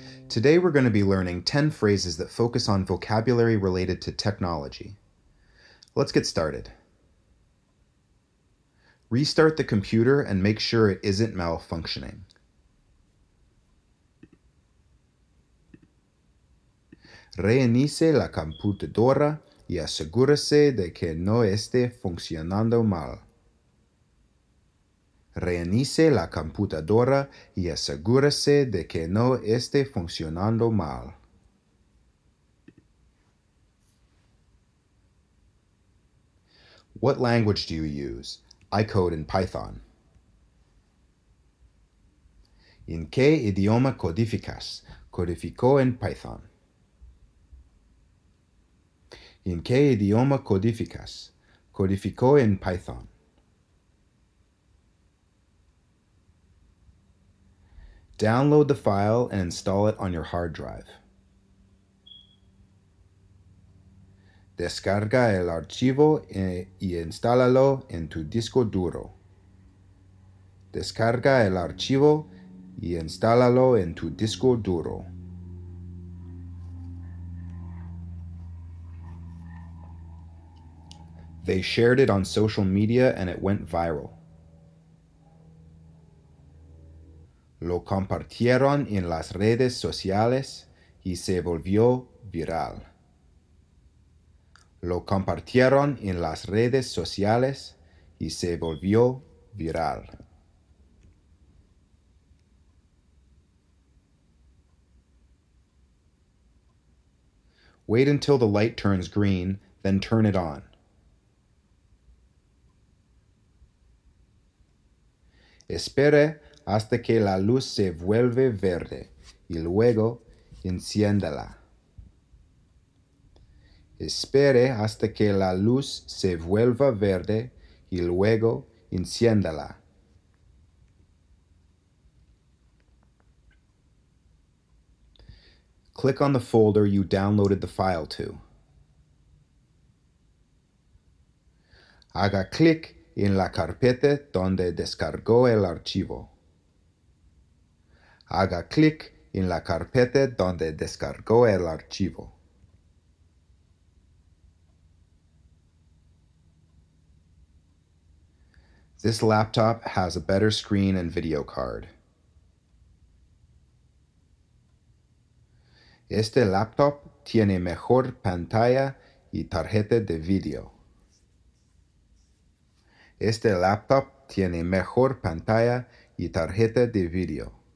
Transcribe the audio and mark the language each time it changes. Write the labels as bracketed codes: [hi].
[en] Today we're going to be learning 10 phrases that focus on vocabulary related to technology. Let's get started. Restart the computer and make sure it isn't malfunctioning. [es] Reinicie la computadora y asegúrese de que no esté funcionando mal. Reinicie la computadora y asegúrese de que no esté funcionando mal. [en] What language do you use? I code in Python. [es] ¿En qué idioma codificas? Codifico en Python. ¿En qué idioma codificas? Codifico en Python. [en] Download the file and install it on your hard drive. [es] Descarga el archivo y instálalo en tu disco duro. Descarga el archivo y instálalo en tu disco duro. [en] They shared it on social media and it went viral. [es] Lo compartieron en las redes sociales y se volvió viral. Lo compartieron en las redes sociales y se volvió viral. [en] Wait until the light turns green, then turn it on. [es] Espere hasta que la luz se vuelve verde y luego enciéndala. Espere hasta que la luz se vuelva verde y luego enciéndala. [en] Click on the folder you downloaded the file to. [es] Haga clic en la carpeta donde descargó el archivo. Haga clic en la carpeta donde descargó el archivo. [en] This laptop has a better screen and video card. [es] Este laptop tiene mejor pantalla y tarjeta de video. Este laptop tiene mejor pantalla y tarjeta de video.